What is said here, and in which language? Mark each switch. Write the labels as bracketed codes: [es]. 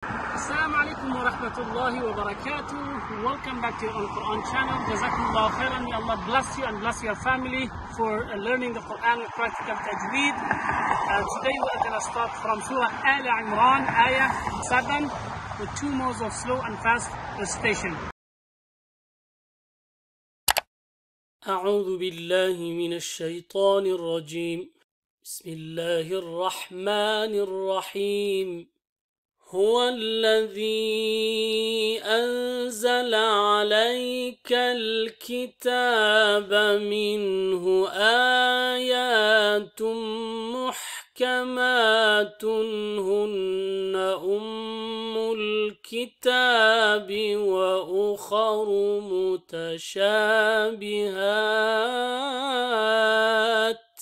[ar] السلام عليكم ورحمة الله وبركاته. [en] Welcome back to the Quran channel. [ar] جزاكم الله خيرا. [en] May Allah bless you and bless your family for learning the Quran with practical تجويد. Today we are going to start from Surah Al Imran, Ayah 7, with two modes of slow and fast recitation. [ar] أعوذ بالله من الشيطان الرجيم. بسم الله الرحمن الرحيم. هو الذي أنزل عليك الكتاب منه آيات محكمات هن أم الكتاب وأخر متشابهات.